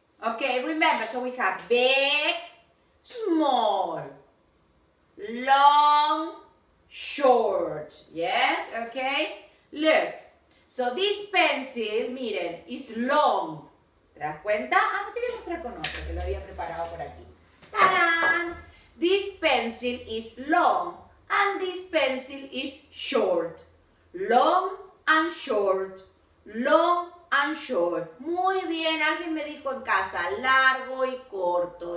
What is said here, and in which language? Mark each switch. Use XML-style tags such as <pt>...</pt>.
<en>Okay, remember, so we have big, small, long, short. Yes, okay? Look. So, this pencil, miren, is long.</en> <es>¿Te das cuenta? Ah, no, te voy a mostrar con otro, que lo había preparado por aquí. ¡Tarán!</es> <en>This pencil is long and this pencil is short. Long and short. Long and short.</en> <es>Muy bien, alguien me dijo en casa, largo y corto.</es>